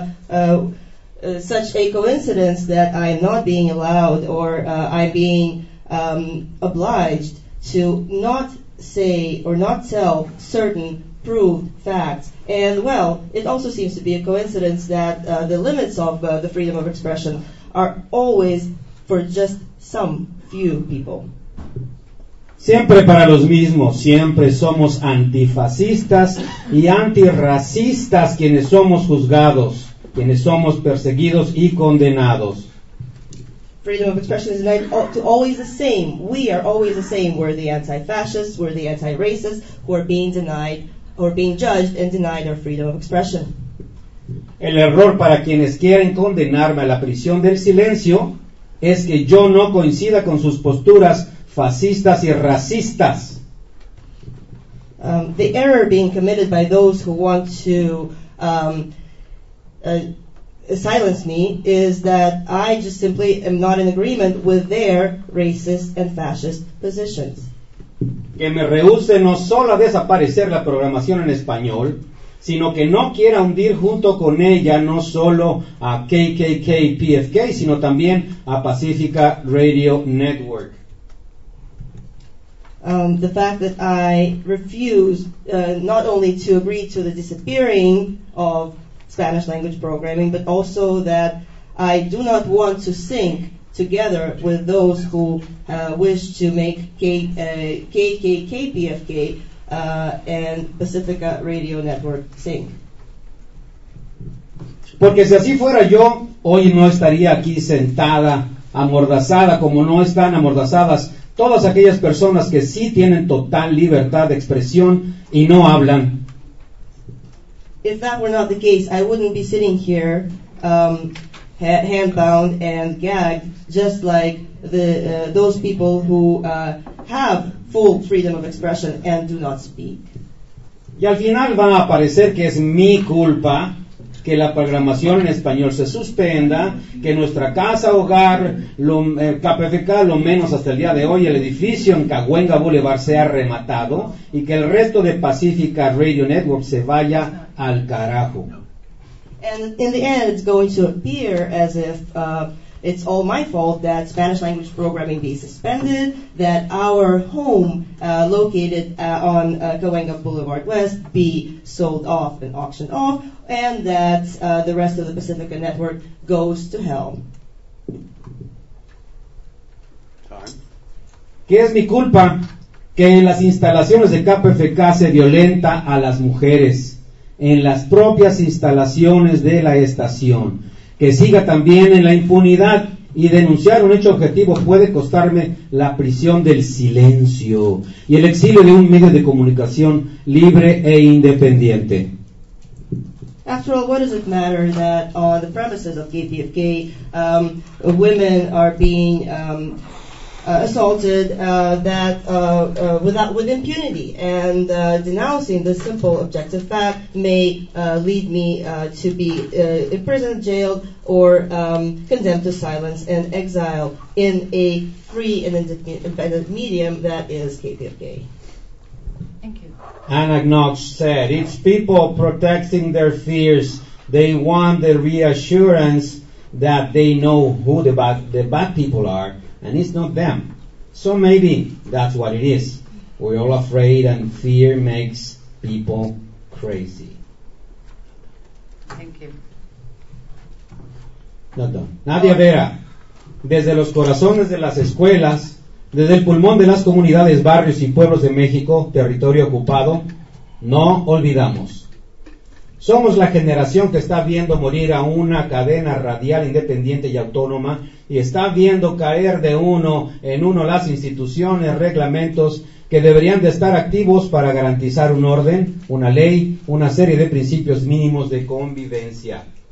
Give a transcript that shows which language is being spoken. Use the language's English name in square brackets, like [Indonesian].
[English] Such a coincidence that I'm not being allowed or I'm being obliged to not say or not tell certain proved facts. And well, it also seems to be a coincidence that the limits of the freedom of expression are always for just some few people. [Spanish] Siempre para los mismos, siempre somos antifascistas y antirracistas quienes somos juzgados, quienes somos perseguidos y condenados. [English] Freedom of expression is meant to always the same. We are always the same. We're the anti-fascists, we're the anti-racists who are being denied, who are being judged and denied our freedom of expression. [Spanish] El error para quienes quieren condenarme a la prisión del silencio es que yo no coincida con sus posturas fascistas y racistas. [English] The error being committed by those who want to silence me is that I just simply am not in agreement with their racist and fascist positions. [Spanish] Que me rehúse no solo a desaparecer la programación en español, sino que no quiera hundir junto con ella no solo a KKK PFK, sino también a Pacifica Radio Network. [English] The fact that I refuse not only to agree to the disappearing of Spanish language programming, but also that I do not want to sync together with those who wish to make KKK PFK and Pacifica Radio Network sync. [Spanish] Porque si así fuera yo, hoy no estaría aquí sentada, amordazada, como no están amordazadas todas aquellas personas que sí tienen total libertad de expresión y no hablan. [English] If that were not the case, I wouldn't be sitting here hand-bound and gagged just like those people who have full freedom of expression and do not speak. [Spanish] Y al final va a aparecer que es mi culpa que la programación en español se suspenda, que nuestra casa hogar, KPFK, lo menos hasta el día de hoy, el edificio en Cahuenga Boulevard sea rematado y que el resto de Pacifica Radio Network se vaya al carajo. [English] And in the end, it's going to appear as if it's all my fault that Spanish language programming be suspended, that our home located on Cahuenga Boulevard West be sold off and auctioned off, and that the rest of the Pacifica network goes to hell. [Spanish] ¿Qué es mi culpa? Que en las instalaciones de KPFK se violenta a las mujeres, en las propias instalaciones de la estación, que siga también en la impunidad, y denunciar un hecho objetivo puede costarme la prisión del silencio y el exilio de un medio de comunicación libre e independiente. [English] After all, what does it matter that on the premises of KPFK women are being assaulted with impunity, and denouncing the simple objective fact may lead me to be imprisoned, jailed, or condemned to silence and exile in a free and independent medium that is KPFK. Anna Knox said, it's people protecting their fears. They want the reassurance that they know who the bad people are, and it's not them. So maybe that's what it is. We're all afraid, and fear makes people crazy. Thank you. Not done. [Spanish] Nadia Vera, desde los corazones de las escuelas, desde el pulmón de las comunidades, barrios y pueblos de México, territorio ocupado, no olvidamos. Somos la generación que está viendo morir a una cadena radial independiente y autónoma, y está viendo caer de uno en uno las instituciones, reglamentos que deberían de estar activos para garantizar un orden, una ley, una serie de principios mínimos de convivencia.